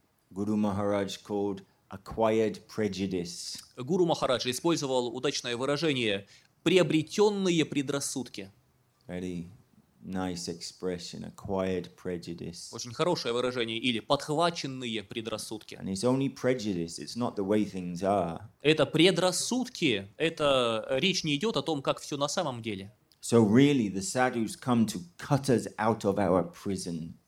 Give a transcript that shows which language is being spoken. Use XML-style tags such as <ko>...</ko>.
<ru>Гуру Махарадж использовал удачное выражение «приобретенные предрассудки».</ru> <en>Very nice expression, acquired prejudice.</en> <ru>Очень хорошее выражение, или «подхваченные предрассудки».</ru> <en>And it's only prejudice, it's not the way things are.</en> <ru>Это предрассудки, это речь не идет о том, как все на самом деле.</ru> <en>So really, the sadhus come to cut us out of our prison.</en>